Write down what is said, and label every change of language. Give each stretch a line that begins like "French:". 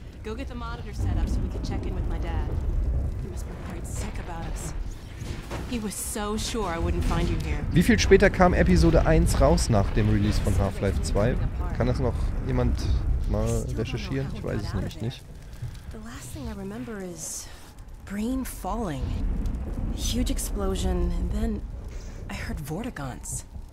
English: Go get the monitor set up so we can check in with my dad. He must be quite sick about us. He was so sure I wouldn't find you here.
German: Wie viel später kam Episode 1 raus nach dem Release von Half-Life 2? Kann das noch jemand mal recherchieren? Ich weiß es nämlich nicht.
English: The last thing I remember is brain falling. A huge explosion and then I heard Vortigaunts.